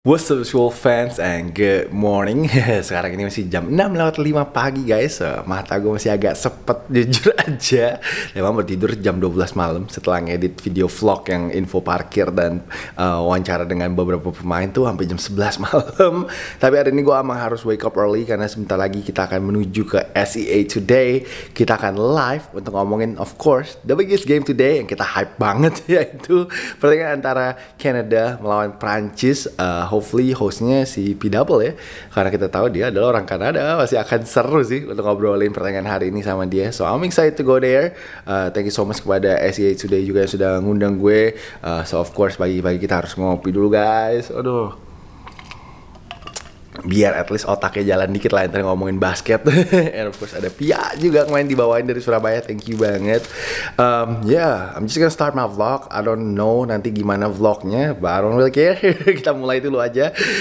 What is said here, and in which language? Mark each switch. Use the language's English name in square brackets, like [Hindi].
[English] What's up school fans and good morning. [Indonesian] Sekarang ini masih jam 6 lewat 5 pagi guys. Mata gue masih agak sepet jujur aja. Emang bertidur jam 12 malam setelah ngedit video vlog yang info parkir dan wawancara dengan beberapa pemain tuh sampai jam 11 malam. Tapi hari ini gue emang harus [English] wake up early [Indonesian] karena sebentar lagi kita akan menuju ke SEA Today. Kita akan live untuk ngomongin [English] of course the biggest game today [Indonesian] yang kita hype banget, yaitu pertandingan antara Canada melawan Prancis. Hopefully hostnya si P Double ya, karena kita tahu dia adalah orang Kanada, pasti akan seru sih untuk ngobrolin pertandingan hari ini sama dia. [English] So I'm excited to go there. Thank you so much [Indonesian] kepada SEA Today juga yang sudah ngundang gue. So of course pagi-pagi kita harus ngopi dulu guys. Aduh, biar at least otaknya jalan dikit lah entar ngomongin basket. And of course ada Pia juga main dibawain dari Surabaya. [English] Thank you banget. I'm just gonna start my vlog. I don't know [Indonesian] nanti gimana vlognya, [English] but I don't really care. [Indonesian] Kita mulai dulu aja.